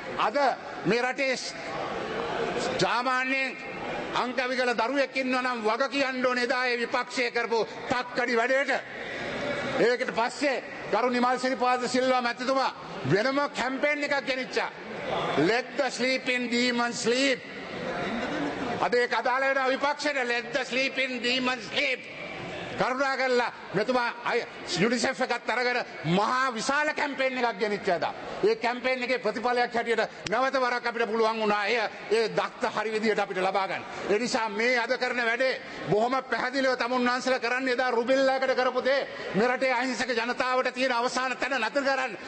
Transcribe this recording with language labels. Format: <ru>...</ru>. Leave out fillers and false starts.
<si>අද මේ රටේ සාමාන්‍යයෙන් අංක විකල දරුවෙක් ඉන්නවා නම් වග කියන්න ඕනේ එදා ඒ විපක්ෂය කරපු තක්කඩි වැඩේට. ඒකට පස්සේ ගරු නිමල්සිරිපාද සිල්වා මැතිතුමා වෙනම කැම්පේන් එකක් ගෙනිච්චා.</si> <en>Let the sleeping demon sleep.</en> <si>අද ඒක අදාළ වෙනවා විපක්ෂයට.</si> <en>Let the sleeping demon sleep.</en> <si>කරුණා කරලා මෙතුමා යුනිසෙෆ් එකත් අරගෙන මහා විශාල කැම්පේන් එකක් ගෙනිච්චා. ඒ කැම්පේන් එකේ ප්‍රතිඵලයක් හැටියට නැවත වරක් අපිට පුළුවන් වුණා ඒ දක්ත හරි විදියට අපිට ලබා ගන්න. ඒ නිසා මේ අද කරන වැඩේ බොහොම පැහැදිලිව තමුන් වහන්සේලා කරන්නේ එදා රුබිල්ලාකට කරපු දේ මේ රටේ අහිංසක ජනතාවට තියෙන අවසාන තැන නතර කරන්න.</si>